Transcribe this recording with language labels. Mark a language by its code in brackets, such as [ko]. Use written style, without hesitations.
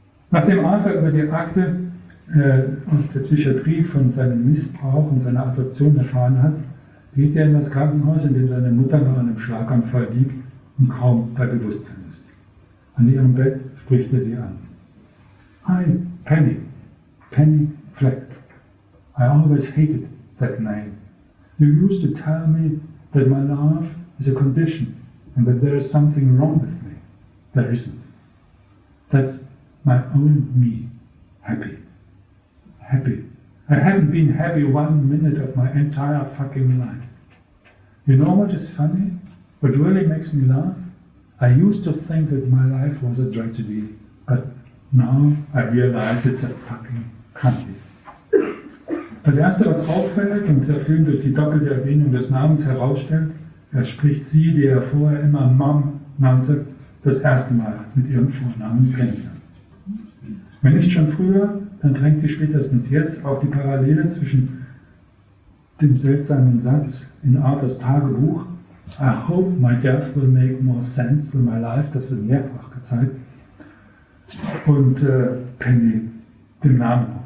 [de] Nachdem Arthur über die Akte aus der Psychiatrie von seinem Missbrauch und seiner Adoption erfahren hat, geht er in das Krankenhaus, in dem seine Mutter nach einem Schlaganfall liegt und kaum bei Bewusstsein ist. An ihrem Bett spricht er sie an. [en] Hi, Penny. Penny Fleck. I always hated that name. You used to tell me that my love is a condition and that there is something wrong with me. There isn't. That's my own me, happy. Happy. I haven't been happy 1 minute of my entire fucking life. You know what is funny? What really makes me laugh? I used to think that my life was a tragedy, but now I realize it's a fucking comedy. [de] Als Erste, was auffällt und der Film durch die doppelte Erwähnung des Namens herausstellt, er spricht sie, die er vorher immer Mom nannte, das erste Mal mit ihrem Vornamen kennen. Wenn nicht schon früher, dann drängt sie spätestens jetzt auch die Parallele zwischen dem seltsamen Satz in Arthurs Tagebuch [en] I hope my death will make more sense than my life, [de] das wird mehrfach gezeigt, und Penny, dem Namen.